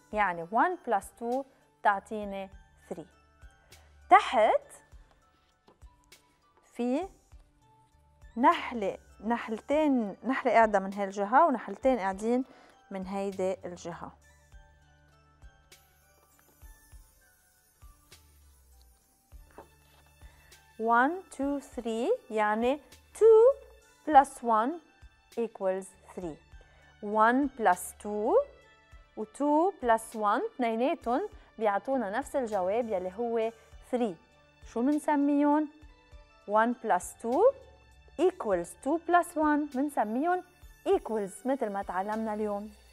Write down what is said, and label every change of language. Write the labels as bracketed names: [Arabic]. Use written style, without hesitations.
[English] يعني one plus two تعطيني three. [Arabic] تحت في نحلتين قاعدة من هاي الجهة ونحلتين قاعدين من هيدي الجهة. [English] One, two, three. يعني two plus one equals three. [Arabic] 1 plus 2 و 2 plus 1 اثنيناتهم بيعطونا نفس الجواب يلي هو 3. شو منسميهم؟ [English] 1 plus 2 equals 2 plus 1 [Arabic] منسميهم equals، مثل ما تعلمنا اليوم.